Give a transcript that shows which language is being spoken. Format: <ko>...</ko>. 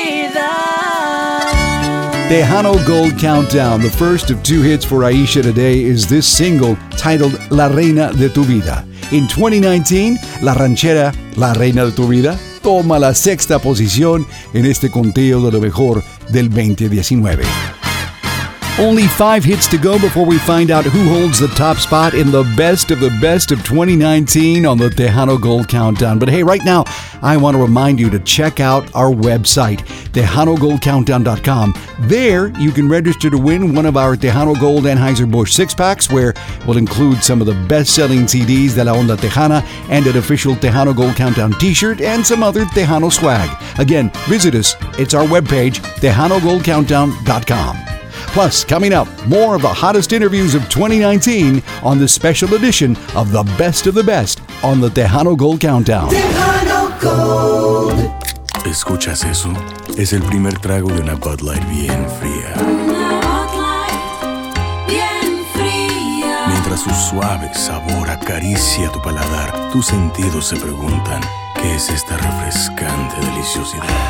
<en>Tejano Gold Countdown, the first of two hits for Aisha today, is this single titled La Reina de Tu Vida. In 2019,</en> <es>la ranchera La Reina de Tu Vida toma la sexta posición en este conteo de lo mejor del 2019.</es> <en>Only five hits to go before we find out who holds the top spot in the best of the best of 2019 on the Tejano Gold Countdown. But hey, right now, I want to remind you to check out our website, TejanoGoldCountdown.com. There, you can register to win one of our Tejano Gold Anheuser-Busch six-packs, where we'll include some of the best-selling CDs de La Onda Tejana and an official Tejano Gold Countdown t-shirt and some other Tejano swag. Again, visit us. It's our webpage, TejanoGoldCountdown.com. Plus, coming up, more of the hottest interviews of 2019 on this special edition of The Best of the Best on the Tejano Gold Countdown. Tejano</en> <es>Gold. ¿Escuchas eso? Es el primer trago de una Bud Light bien fría. Una Bud Light bien fría. Mientras su suave sabor acaricia tu paladar, tus sentidos se preguntan, ¿qué es esta refrescante deliciosidad?</es>